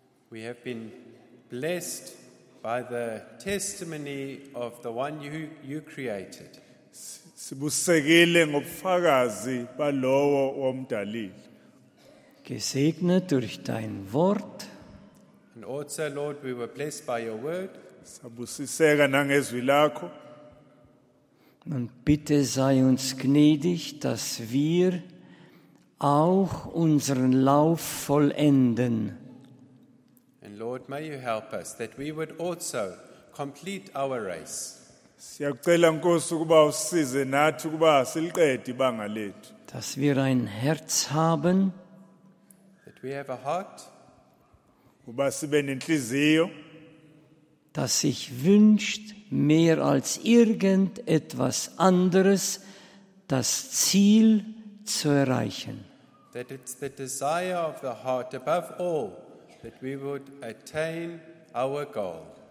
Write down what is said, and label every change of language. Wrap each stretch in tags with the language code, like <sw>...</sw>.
<en>We have been blessed by the testimony of the one you created.</en> <zu>Sibusekile ngobufakazi balowo womdalile.</zu> <de>Gesegnet durch dein Wort.</de> <en>And also, Lord, we were blessed by your word.</en> <zu>Sabusiseka nangezwi lakho.</zu> <de>Und bitte sei uns gnädig, dass wir auch unseren Lauf vollenden.</de> <en>And Lord, may you help us that we would also complete our race.</en> <zu>Siyacela Nkosi ukuba usize nathi ukuba siliqede ibanga lethu.</zu> <de>Dass wir ein Herz haben.</de> <en>We have a heart.</en> <zu>Uba sibe nenhliziyo.</zu> <de>Das sich wünscht mehr als irgendetwas anderes, das Ziel zu erreichen.</de> <en>That it's the desire of the heart above all that we would attain our goal.</en>